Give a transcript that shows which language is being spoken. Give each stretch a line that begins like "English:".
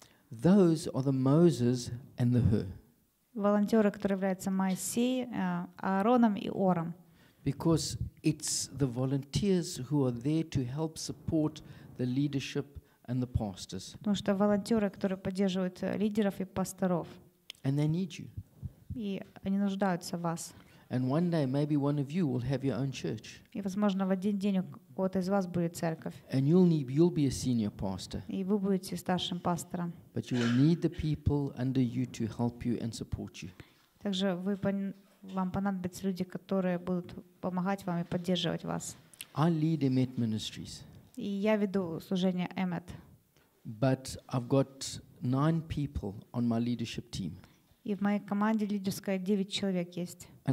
English: Those are the Moses and the Hur.
Russian: Волонтеры, которые являются Моисеем, Аароном и Ором.
English: Because it's the volunteers who are there to help support the leadership and the pastors.
Russian: Потому что волонтеры, которые поддерживают лидеров и пасторов.
English: And they need you.
Russian: И они нуждаются в вас.
English: And one day maybe one of you will have your own church.
Russian: И возможно в один день у кого-то из вас будет церковь.
English: And you'll be a senior pastor.
Russian: И вы будете старшим пастором.
English: But you will need the people under you to help you and support you.
Russian: Также вам понадобятся люди, которые будут помогать вам и поддерживать вас.
English: I lead M.Ed ministries.
Russian: И я веду служение M.Ed.
English: But I've got 9 people on my leadership team.
Russian: И в моей команде лидерской 9 человек есть.